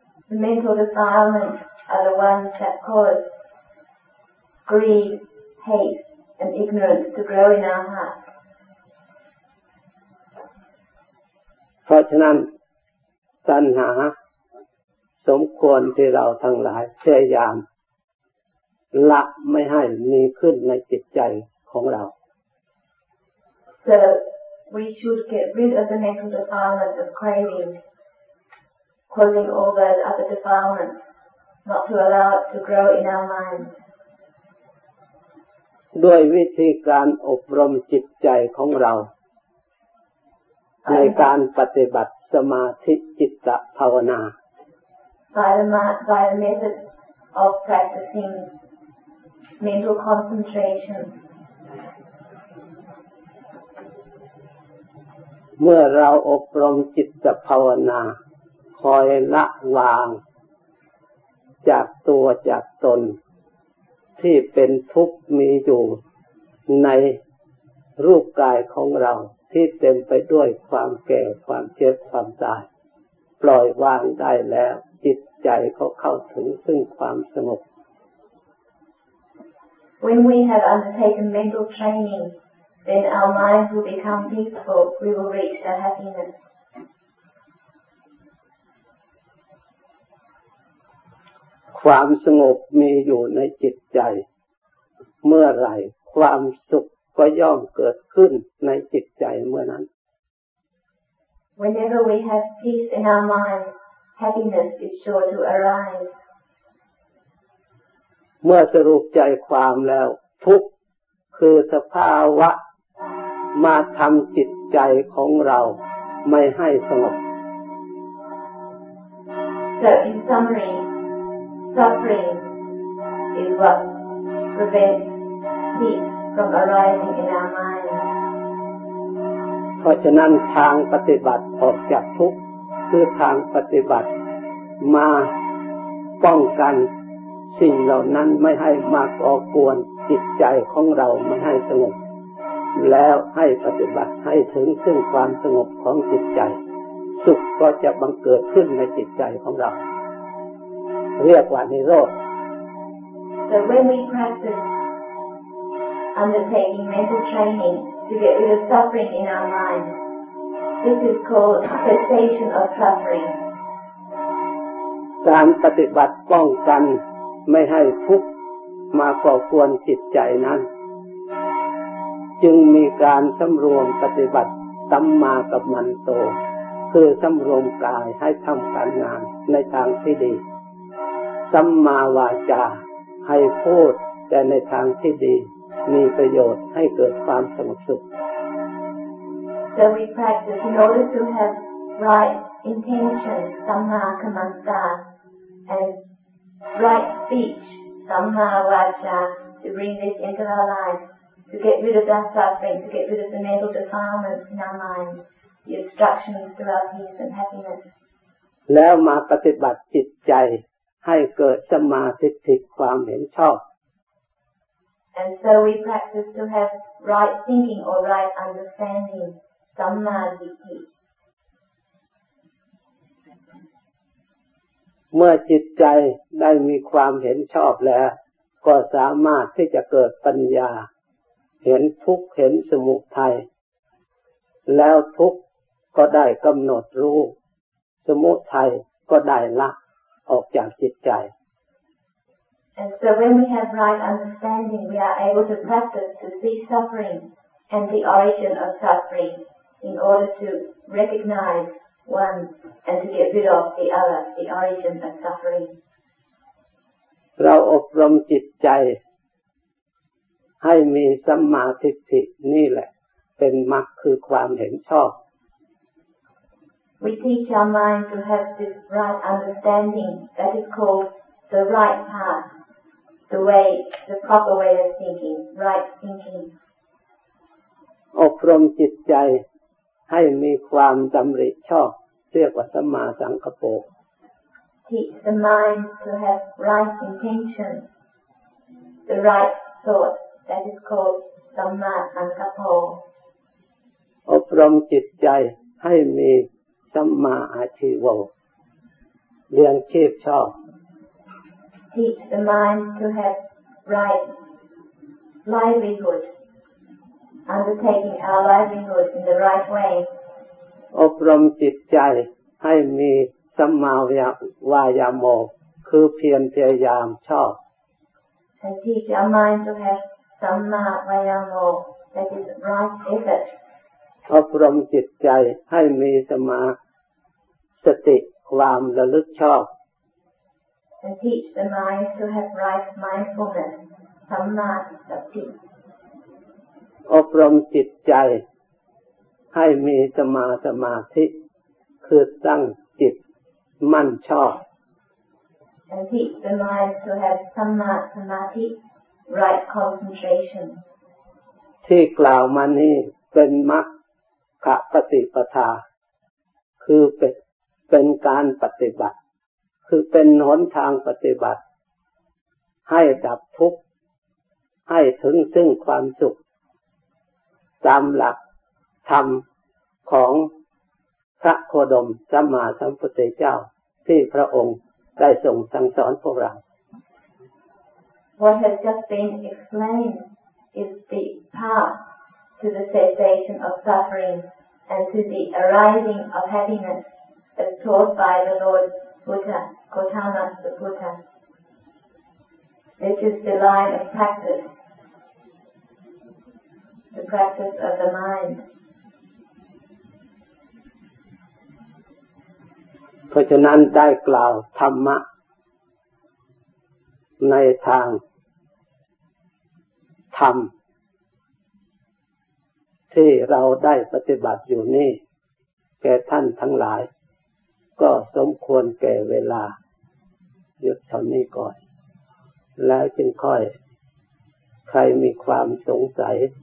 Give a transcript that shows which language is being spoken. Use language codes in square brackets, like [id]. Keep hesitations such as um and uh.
[en] The mental defilements are the ones that cause greed, hate, and ignorance to grow in our hearts. [th] เพราะฉะนั้นตัณหาสมควรที่เราทั้งหลายพยายาม ละไม่ให้มีขึ้นในจิตใจของเรา [en] So we should get rid of the mental defilement of craving, causing all those other defilements, not to allow it to grow in our minds. [th] ด้วยวิธีการอบรมจิตใจของเรา ในการปฏิบัติสมาธิจิตตภาวนา [en] By the, ma- by the method of practicing mental concentration, [th] เมื่อเราอบรมจิตภาวนา คอยละวาง จากตัวจากตน ที่เป็นทุกข์มีอยู่ในรูปกายของเราที่เต็มไปด้วยความแก่ความเจ็บความตาย ปล่อยวางได้แล้ว จิตใจเขาเข้าถึงซึ่งความสงบ [en] When we have undertaken mental training, then our minds will become peaceful, we will reach the happiness. [th] ความสงบมีอยู่ในจิตใจ เมื่อไหร่ ความสุขก็ย่อมเกิดขึ้นในจิตใจเมื่อนั้น [en] Whenever we have peace in our mind, happiness is sure to arise. [th] เมื่อสรุปใจความแล้ว ทุกข์คือสภาวะ มาทำจิตใจของเราไม่ให้สงบ [en] So in summary, suffering is what prevents peace from arising in our mind. [th] เพราะฉะนั้นทางปฏิบัติออกจากทุกข์คือทางปฏิบัติมาป้องกันสิ่งเหล่านั้นไม่ให้มาก่อกวนจิตใจของเราไม่ให้สงบ แล้วให้ปฏิบัติให้ถึงซึ่งความสงบของจิตใจ สุขก็จะบังเกิดขึ้นในจิตใจของเรา เรียกว่านิโรธ [en] So when we practice undertaking mental training to get rid of suffering in our mind, this is called cessation of suffering. [th] การปฏิบัติป้องกันไม่ให้ทุกข์มาก่อกวนจิตใจนั้น จึงมีการสํารวมปฏิบัติสัมมากับมันโต คือสํารวมกายให้ทำการงานในทางที่ดีสัมมาวาจาให้พูดแต่ในทางที่ดี มีประโยชน์ให้เกิดความสงบสุข [en] So we practice in order to have right intention, samma kamanta, and right speech, samma vacha, to bring this into our lives, to get rid of our suffering, to get rid of the mental defilements in our minds, the obstructions to our peace and happiness. [th] แล้วมาปฏิบัติจิตใจให้เกิดสมมาธิิความเห็นชอบ [en] And so we practice to have right thinking or right understanding, samma ditti. [th] เมื่อจิตใจได้มีความเห็นชอบแล้ว ก็สามารถที่จะเกิดปัญญา เห็นทุกข์เห็นสมุทัยแล้วทุกข์ก็ได้กำหนดรู้ สมุทัยก็ได้ละออกจากจิตใจ [en] And so when we have right understanding, we are able to practice to see suffering and the origin of suffering in order to recognize one and to get rid of the other, the origin of suffering. [th] เราอบรมจิตใจ ให้มีสัมมาทิฏฐินี่แหละ เป็นมรรคคือความเห็นชอบ [en] We teach our mind to have this right understanding that is called the right path, the way, the proper way of thinking, right thinking. [th] อบรมจิตใจให้มีความดำริชอบ เรียกว่าสัมมาสังกปปะ [en] Teach the mind to have right intention, the right thought that is called Samma Sankapo. [th] อบรมจิตใจให้มีสัมมาอาชีวะเรียงชีพชอบ [en] Teach the mind to have right livelihood, undertaking our livelihood in the right way. [th] อบรมจิตใจให้มีสัมมาวายามโมคือเพียรพยายามชอบ [en] and teach our mind to have Samma Vayamo, that is right effort, [th] อบรมจิตใจให้มีสมาสติความระลึกชอบ [en] and teach the mind to have right mindfulness, Samma Sati, [th] อบรมจิตใจ ให้มีสมาสมาธิ คือตั้งจิตมั่นชอบ [en] and teach the mind to have Samma Samadhi, right concentration. [th] ที่กล่าวมานี้เป็นมรรคปฏิปทา คือเป็นเป็นการปฏิบัติ คือเป็นหนทางปฏิบัติ ให้ดับทุกข์ ให้ถึงซึ่งความสุข ตามหลักธรรมของพระโคดมสัมมาสัมพุทธเจ้าที่พระองค์ได้ทรงสั่งสอนพวกเรา [en] What has just been explained is the path to the cessation of suffering and to the arising of happiness as taught by the Lord Buddha, Gautama the Buddha. This is the line of practice, the practice of the mind. [th] เพราะฉะนั้นได้กล่าวธรรมะ ในทางธรรม ที่เราได้ปฏิบัติอยู่นี่ แก่ท่านทั้งหลาย ก็สมควรแก่เวลาหยุดเท่านี้ก่อน แล้วจึงค่อย ใครมีความสงสัย